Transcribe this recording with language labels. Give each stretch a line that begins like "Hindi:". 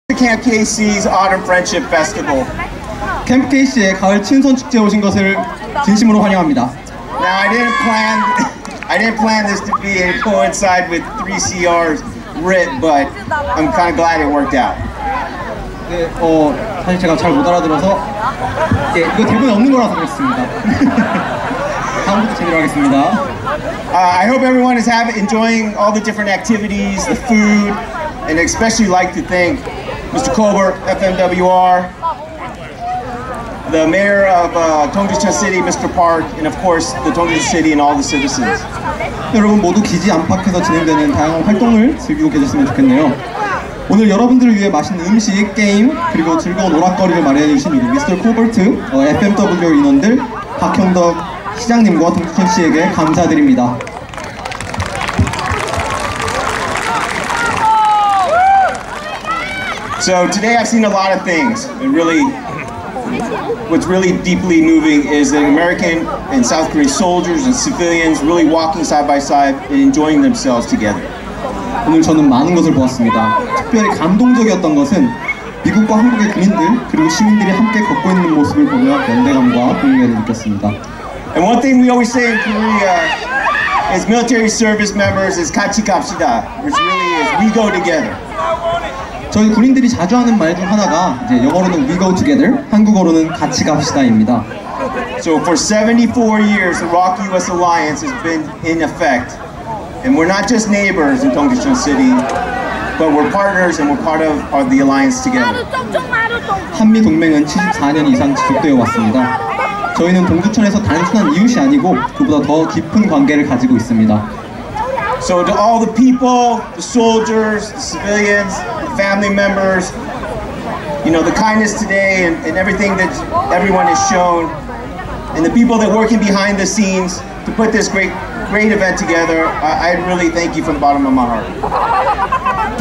English: Camp KC's Autumn Friendship Festival.
Korean: Camp KC의 가을 친선 축제에 오신 것을 진심으로 환영합니다.
English: Now, I didn't plan this to be a coincide with 3CR's RIT, but I'm kind of glad it worked out.
Korean: 네, 사실 제가 잘 못 알아들어서 예, 이거 대본에 없는 거라서 그랬습니다. 다음부터 제대로 하겠습니다.
English: I hope everyone is enjoying all the different activities, the food, and especially like to thank Mr. Colbert, FMWR, the mayor of Dongjicheon City, Mr. Park, and of course, the Dongjicheon City and all the citizens.
Korean: 여러분 모두 기지 안팎에서 진행되는 다양한 활동을 즐기고 계셨으면 좋겠네요. 오늘 여러분들을 위해 맛있는 음식, 게임, 그리고 즐거운 오락거리를 마련해주신 우리 Mr. Colbert, FMWR 인원들, 박형덕 시장님과 동주천 씨에게 감사드립니다.
English: So today I've seen a lot of things. And really, what's really deeply moving is that American and South Korean soldiers and civilians really walking side by side and enjoying themselves together.
Korean: 오늘 저는 많은 것을 보았습니다. 특별히 감동적이었던 것은 미국과 한국의 군인들 그리고 시민들이 함께 걷고 있는 모습을 보며 연대감과 동료를 느꼈습니다.
English: And one thing we always say in Korea is military service members is
Korean: 같이 갑시다,
English: which really is we go together.
Korean: 저희 군인들이 자주 하는 말 중 하나가 이제 영어로는
English: we go together,
Korean: 한국어로는 같이 갑시다입니다.
English: So for 74 years, the ROK-US alliance has been in effect. And we're not just neighbors in Dongjicheon City, but we're partners and we're part of the alliance together.
Korean: 한미동맹은 74년 이상 지속되어 왔습니다. 저희는 동두천에서 단순한 이웃이 아니고 그보다 더 깊은 관계를 가지고 있습니다.
English: So to all the people, the soldiers, the civilians, the family members, you know, the kindness today and everything that everyone has shown, and the people that working behind the scenes to put this great event together, I really thank you from the bottom of my heart.